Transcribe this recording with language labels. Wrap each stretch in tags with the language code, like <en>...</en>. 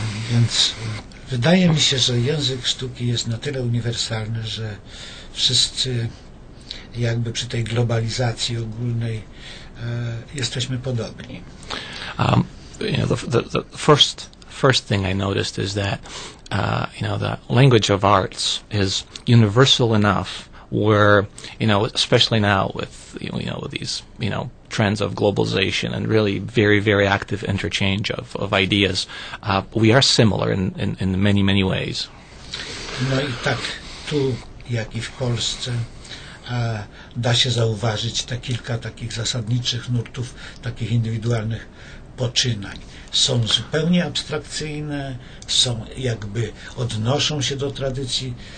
<pl>Więc wydaje mi się, że język sztuki jest na tyle uniwersalny, że wszyscy jakby przy tej globalizacji ogólnej jesteśmy podobni.</pl> <en>The first thing I noticed is that the language of arts is universal enough where especially now with these trends of globalization and really very, very active interchange of ideas. We are similar in many, many ways.</en> <pl>No i tak tu, jak i w Polsce, da się zauważyć te kilka takich zasadniczych nurtów, takich indywidualnych poczynań. Są zupełnie abstrakcyjne, są jakby odnoszą się do tradycji.</pl>